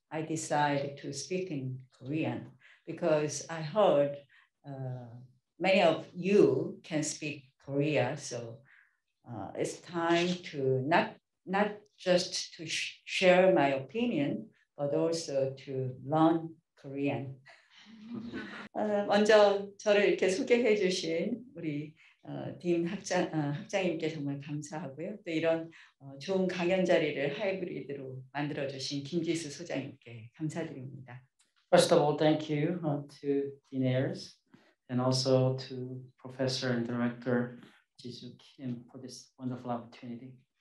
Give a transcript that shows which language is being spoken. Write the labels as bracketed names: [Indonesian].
[English] I decided to speak in Korean because I heard many of you can speak Korean. So it's time to not just to share my opinion, but also to learn Korean. [Korean] 먼저 저를 이렇게 소개해 주신 우리 딘 학장님께 정말 감사하고요. 또 이런 좋은 강연 자리를 하이브리드로 만들어 주신 김지수 소장님께 감사드립니다. [English] First of all, thank you to Dean Ayers and also to Professor and Director Jisoo Kim for this wonderful opportunity.